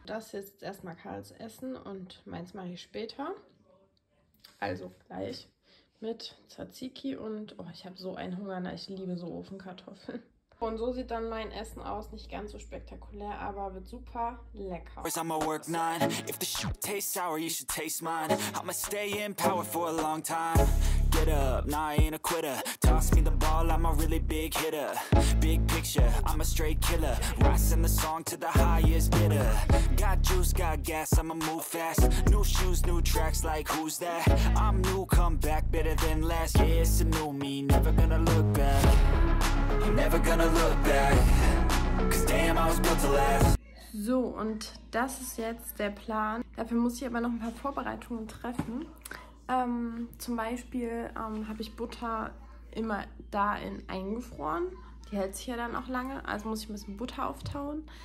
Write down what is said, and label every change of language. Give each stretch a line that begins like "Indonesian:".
German: Das ist jetzt erstmal Karls Essen und meins mache ich später, also gleich. Mit Tzatziki und, oh, ich habe so einen Hunger, na, ich liebe so Ofenkartoffeln. Und so sieht dann mein Essen aus, nicht ganz so spektakulär, aber wird super lecker.
English: Always on my work 9, if the shit tastes sour, you should taste mine. I'ma stay in power for a long time. Get up, nah, I ain't a quitter. Toss me the ball, I'm a really big hitter. Big picture, I'm a straight killer. Rising the song to the highest bidder. Got juice, got gas, I'ma move fast. New shoes, new tracks, like who's that? I'm new, come back, better than last. Yeah, it's a new me, never gonna look back. I'm never gonna look back. Cause damn, I was built to last.
German: So, und das ist jetzt der Plan. Dafür muss ich aber noch ein paar Vorbereitungen treffen. Zum Beispiel habe ich Butter immer da in eingefroren. Die hält sich ja dann auch lange, also muss ich ein bisschen Butter auftauen.